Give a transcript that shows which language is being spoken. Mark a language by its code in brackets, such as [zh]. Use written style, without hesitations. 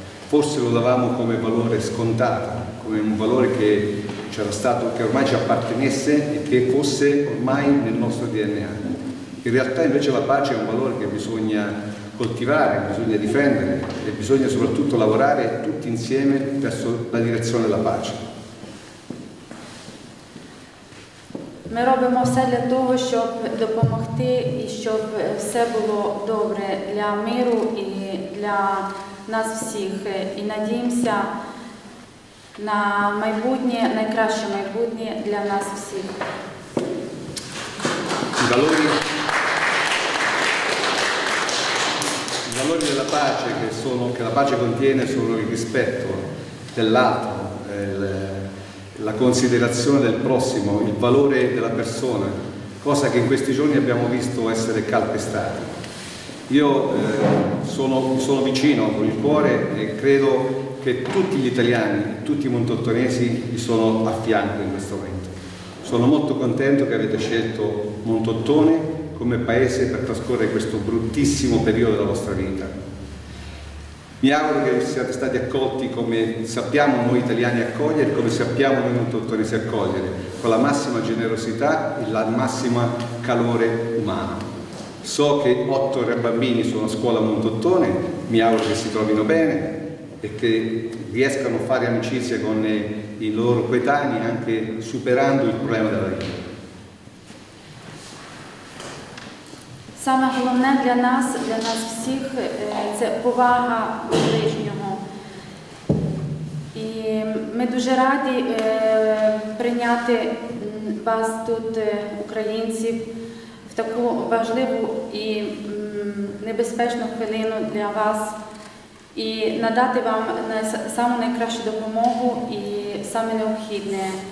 [it] Forse lo davamo come valore scontato, come un valore che c'era stato, che ormai ci appartenesse e che fosse ormai nel nostro DNA. In realtà invece la pace è un valore che bisogna coltivare, bisogna difendere e bisogna soprattutto lavorare tutti insieme verso la direzione della pace. [uk] Ми робимо все для того, щоб допомогти і щоб все було добре для миру і для нас всіх. І надіємося на майбутнє, найкраще майбутнє для нас всіх. [it] I valori della pace che la pace contiene sono il rispetto dell'altro, la considerazione del prossimo, il valore della persona, cosa che in questi giorni abbiamo visto essere calpestata. Io sono vicino con il cuore e credo che tutti gli italiani, tutti i montottonesi vi sono a fianco in questo momento. Sono molto contento che avete scelto Mondottone come paese per trascorrere questo bruttissimo periodo della vostra vita. Mi auguro che siate stati accolti come sappiamo noi italiani accogliere, come sappiamo noi montottonesi accogliere, con la massima generosità e la massima calore umano. So che 8 bambini sono a scuola a Mondottone, mi auguro che si trovino bene e che riescano a fare amicizia con i loro coetanei, anche superando il problema della vita. [uk] Саме головне для нас всіх, це повага ближнього. І ми дуже раді прийняти вас тут, українців, в таку важливу і небезпечну хвилину для вас і надати вам саму найкращу допомогу і саме необхідне.